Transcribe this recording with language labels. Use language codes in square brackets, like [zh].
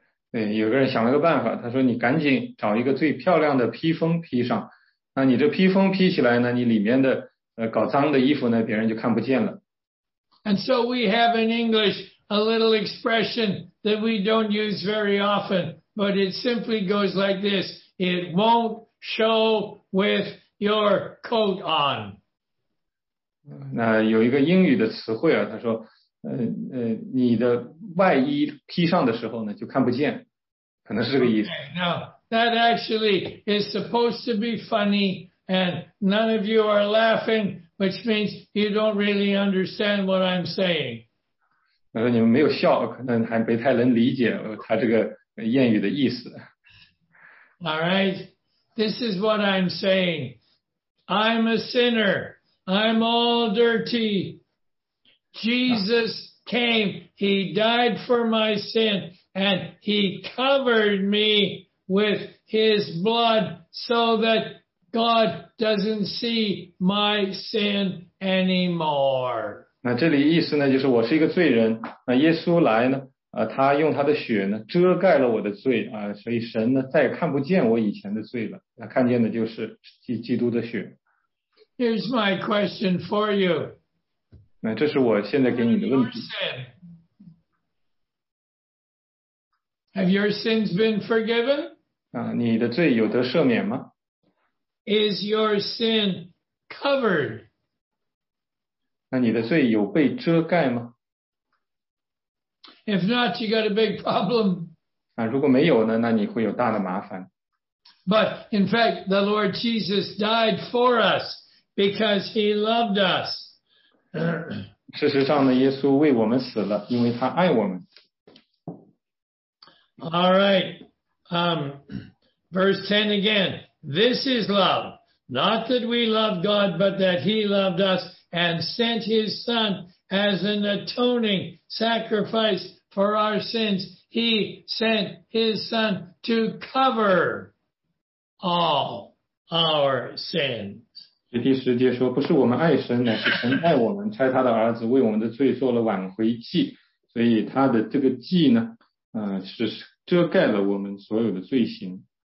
[zh] 对，有个人想了个办法，他说你赶紧找一个最漂亮的披风披上。那你这披风披起来呢，你里面的搞脏的衣服呢，别人就看不见了。 [en] And so we have in English a little expression that we don't use very often, but it simply goes like this. It won't show with your coat on. [zh] 那有一个英语的词汇啊，他说，你的外衣披上的时候呢，就看不见，可能是这个意思。 [en] Okay, now that actually is supposed to be funny, and none of you are laughing, which means you don't really understand what I'm saying. [zh] 他说你们没有笑，可能还不太能理解他这个谚语的意思。 [en] All right, this is what I'm saying. I'm a sinner. I'm all dirty. Jesus came. He died for my sin. And he covered me with his blood so that God doesn't see my sin anymore. [zh] 那这里意思呢就是我是一个罪人。那耶稣来呢他用他的血呢遮盖了我的罪。所以神呢再也看不见我以前的罪了。那看见的就是基督的血。 [en] Here's my question for you. [zh] 那这是我现在给你的问题。 [en] Have your sins been forgiven? [zh] 你的罪有得赦免吗？ [en] Is your sin covered? [zh] 那你的罪有被遮盖吗？ [en] If not, you got a big problem. [zh] 如果没有呢，那你会有大的麻烦。 [en] But in fact, the Lord Jesus died for us. Because he loved us. [zh] 事实上呢，耶稣为我们死了，因为他爱我们。 [en] All right. Verse 10 again. This is love. Not that we love God, but that he loved us and sent his son as an atoning sacrifice for our sins. He sent his son to cover all our sins. [zh] 第十节说，不是我们爱神，乃是神爱我们，差他的儿子为我们的罪做了挽回祭，所以他的这个祭呢，是遮盖了我们所有的罪行。